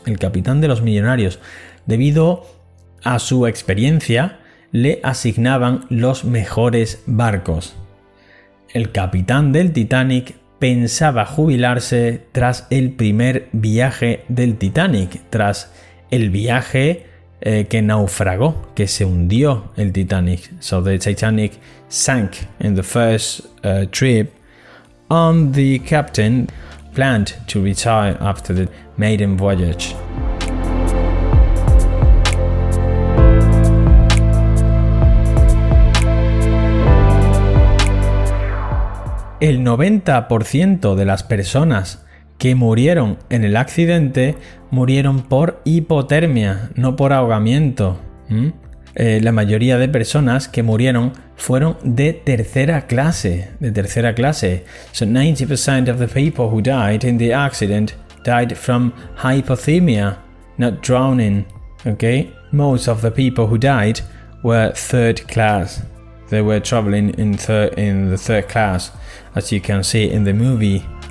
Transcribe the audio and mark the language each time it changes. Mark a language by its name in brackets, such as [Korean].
[Spanish] El capitán de los millonarios. Debido a su experiencia, le asignaban los mejores barcos. El capitán del Titanic pensaba jubilarse tras el primer viaje del Titanic, tras el viaje que naufragó, que se hundió el Titanic. [English] So the Titanic sank in the first trip, and the captain planned to retire after the maiden voyage. [Spanish] El 90% de las personas que murieron en el accidente murieron por hipotermia, no por ahogamiento. La mayoría de personas que murieron fueron de tercera clase. De tercera clase. [English] So 90% of the people who died in the accident died from hypothermia. not drowning, okay? Most of the people who died were third class. They were traveling in the third class, as you can see in the movie.